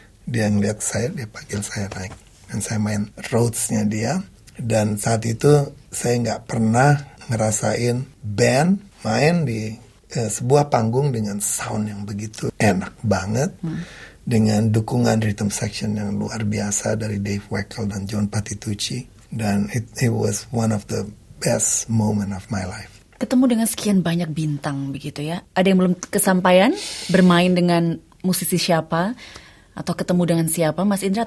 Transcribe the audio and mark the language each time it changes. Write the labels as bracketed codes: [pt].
[id] Dia ngeliat saya, dia panggil saya naik. Dan saya main Rhodes-nya dia. Dan saat itu saya gak pernah ngerasain band main di sebuah panggung dengan sound yang begitu enak banget. Dengan dukungan rhythm section yang luar biasa dari Dave Weckl dan John Patitucci. [en] Dan it was one of the best moment of my life. [id] Ketemu dengan sekian banyak bintang begitu ya. Ada yang belum kesampaian bermain dengan musisi siapa? Atau ketemu dengan siapa, Mas Indra?